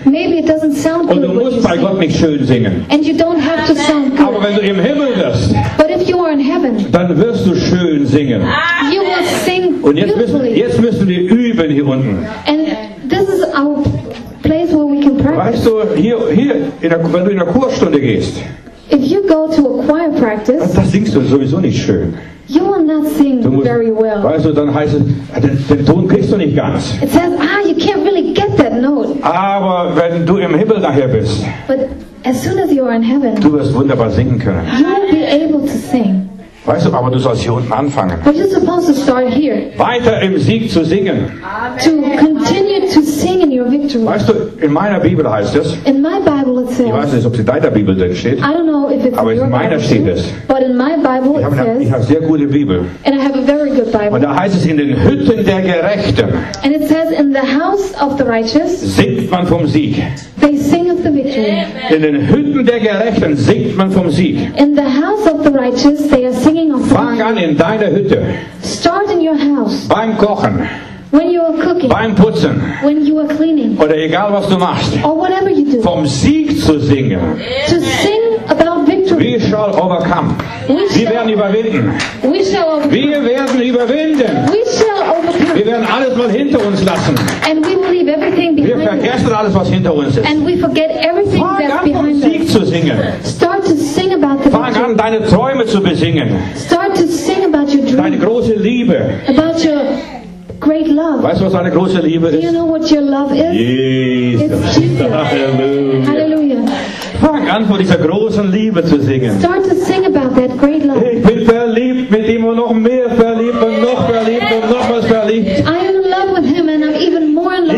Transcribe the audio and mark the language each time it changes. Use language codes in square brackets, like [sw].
[en] Maybe it doesn't sound [de] und [en] good. [de] Und du musst bei [en] sing. [de] Gott nicht schön singen. [en] And you don't have to sound good. [de] Aber wenn du im Himmel wirst, [en] but if you are in heaven, [de] dann wirst du schön singen. [en] You will sing. [de] Und jetzt müssen wir üben hier unten. [en] And this is our place where we can practice. [de] Weißt du, hier, wenn du in der Chorstunde gehst, [en] if you go to a choir practice, [de] das singst du sowieso nicht schön. [en] You will not sing [de] musst, [en] very well. [de] Weißt du, dann heißt es, den Ton kriegst du nicht ganz. [en] It says, you can't really get that note. [de] Aber wenn du im Himmel nachher bist, [en] but as soon as you are in heaven, [de] du wirst wunderbar singen können. [en] You will be able to sing. [de] Weißt du, aber du sollst hier unten anfangen. [en] But you're supposed to start here. [de] Weiter im Sieg zu singen. Amen. [en] To continue to sing in your victory. [de] Weißt du, in meiner Bibel heißt es, [en] in my Bible it says, [de] ich weiß nicht, ob es in deiner Bibel drin steht, [en] I don't know if it's [de] aber in meiner [en] Bible [de] steht es. [en] But in my Bible [de] ich habe eine sehr gute Bibel. [en] And I have a very good Bible. [de] Und da heißt es, in den Hütten der Gerechten, [en] and it says, in the house of the righteous, [de] singt man vom Sieg. [en] They sing of the victory. [de] In den Hütten der Gerechten singt man vom Sieg. [en] In the house of the righteous, they are singing of the victory. [de] Fang an in deiner Hütte. [en] Start in your house. [de] Beim Kochen. [en] When you are cooking. [de] Beim Putzen. [en] When you are cleaning. [de] Oder egal was du machst. [en] Or whatever you do. [de] Vom Sieg zu singen. [en] To sing about victory. We shall overcome. [de] Wir werden überwinden. [en] We shall overcome. [de] Wir werden überwinden. [en] We shall overcome. [de] Wir werden alles mal hinter uns lassen. [en] And we will leave everything behind. [de] Wir vergessen alles, was hinter uns ist. [en] And we forget everything [de] fang [en] that's behind us. [de] Fang an, vom Sieg zu singen. [en] Start to sing about the [de] fang an, deine Träume zu besingen. [en] Start to sing about your dream. [de] Deine große Liebe. [en] About your great love. [de] Weißt du, was deine große Liebe ist? [en] Do you know what your love is? [de] Jesus. [en] It's Jesus. Halleluja. Halleluja. [de] Fang an, vor dieser großen Liebe zu singen. [en] Start to sing about that great love. [de] Ich bin verliebt mit ihm und noch mehr verliebt und noch verliebt und noch was verliebt. [en] I am in love with him and I'm even more in love